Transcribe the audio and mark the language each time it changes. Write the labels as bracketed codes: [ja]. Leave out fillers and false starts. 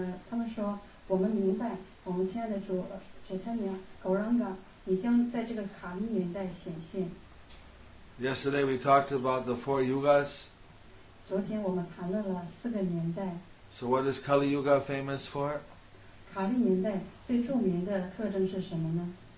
[zh] 他们说，我们明白，我们亲爱的主 Chaitanya Gauranga, 你将在这个卡利年代显现。 [en] Yesterday we talked about the four Yugas. [zh] 昨天我们谈论了四个年代。 [en] So what is Kali Yuga famous for? [zh] 卡利年代最著名的特征是什么呢？